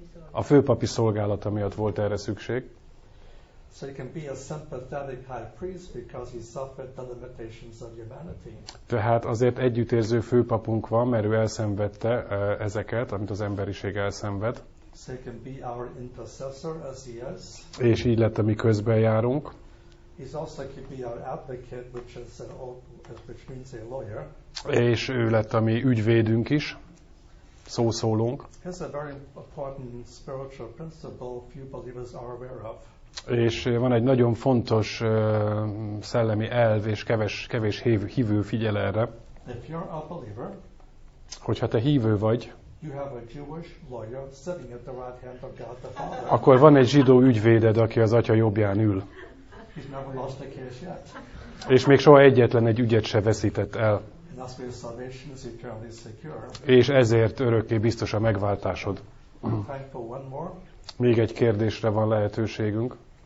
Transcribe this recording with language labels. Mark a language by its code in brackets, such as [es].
[hu] A főpapi szolgálata miatt volt erre szükség. [en] So he can be a sympathetic high priest because he suffered the limitations of humanity. [hu] Tehát azért együttérző főpapunk van, mert ő elszenvedte ezeket, amit az emberiség elszenved. [en] So he can be our intercessor as he is. [hu] És így lett a mi közbenjárunk. [en] He's also can be our advocate, which means a lawyer. [hu] És ő lett a mi ügyvédünk is. Szószólónk. [en] Here's a very important spiritual principle few believers are aware of. [hu] És van egy nagyon fontos szellemi elv, és kevés hívő figyel erre. [en] If you're a believer, [hu] hogyha te hívő vagy, [en] you have a Jewish lawyer sitting at the right hand of God the Father. [hu] Akkor van egy zsidó ügyvéded, aki az atya jobbján ül. [en] He's never lost a case yet. [hu] És még soha egyetlen egy ügyet se veszített el. [en] And That's why your salvation is eternally secure. [hu] És ezért örökké biztos a megváltásod. [en] Time for one more. [hu] Még egy kérdésre van lehetőségünk.